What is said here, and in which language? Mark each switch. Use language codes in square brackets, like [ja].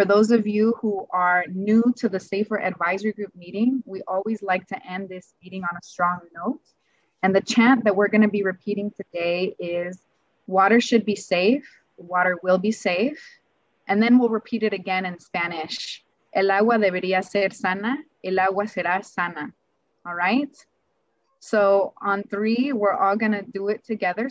[en] For those of you who are new to the Safer Advisory Group meeting, we always like to end this meeting on a strong note. And the chant that we're going to be repeating today is, water should be safe, water will be safe. And then we'll repeat it again in Spanish. [es] El agua debería ser sana, el agua será sana. [en] All right? So on three, we're all going to do it together.